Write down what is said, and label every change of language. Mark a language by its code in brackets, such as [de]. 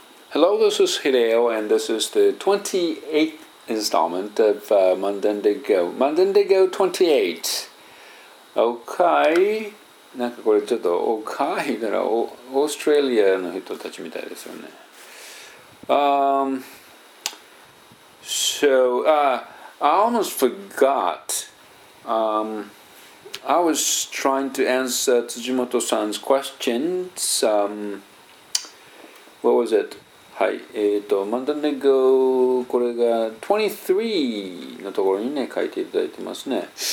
[en] Hello, this is Hideo, and this is the 28th installment of Mandendigo. Mandendigo 28. Okay. [ja] なんかこれちょっと okay だな。オーストラリアの人たちみたいですよね。 [en] I almost forgot. I was trying to answer Tsujimoto-san's questions. What was it? [ja] はい、マンダンデゴこれが23のところにね書いていただいてますね。